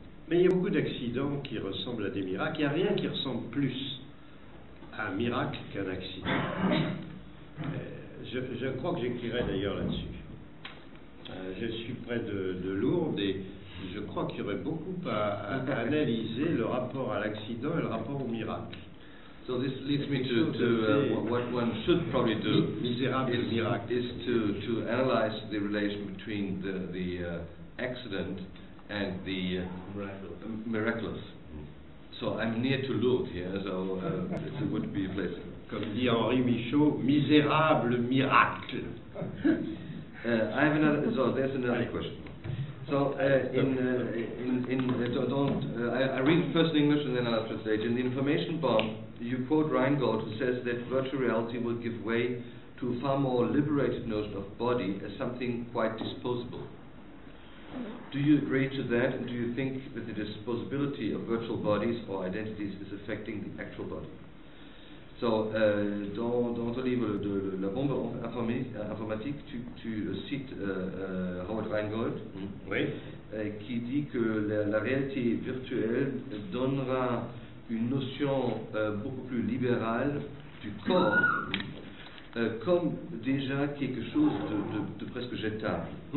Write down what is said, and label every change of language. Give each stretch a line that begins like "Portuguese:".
French: Mais il y a beaucoup d'accidents qui ressemblent à des miracles. Il n'y a rien qui ressemble plus à un miracle qu'un accident. Je crois que j'écrirai d'ailleurs là-dessus. Je suis près de Lourdes et je crois qu'il y aurait beaucoup à analyser le rapport à l'accident et le rapport au miracle.
English: So this leads me to what one should probably do.
French: Misérable miracle.
English: Is to analyze the relation between the accident and the miraculous. So I'm near to Lourdes here, so it would be a place.
French: Comme dit Henri Michaud, misérable miracle.
English: I have another. So there's another Allez. Question. So I read first in English and then I'll translate. In the information bomb, you quote Reingold, who says that virtual reality will give way to a far more liberated notion of body as something quite disposable. Do you agree to that, and do you think that the disposability of virtual bodies or identities is affecting the actual body?
French: So, dans ton livre de la bombe informatique, tu cites Howard Reingold, qui dit que la réalité virtuelle donnera une notion beaucoup plus libérale du corps, comme déjà quelque chose de presque jetable.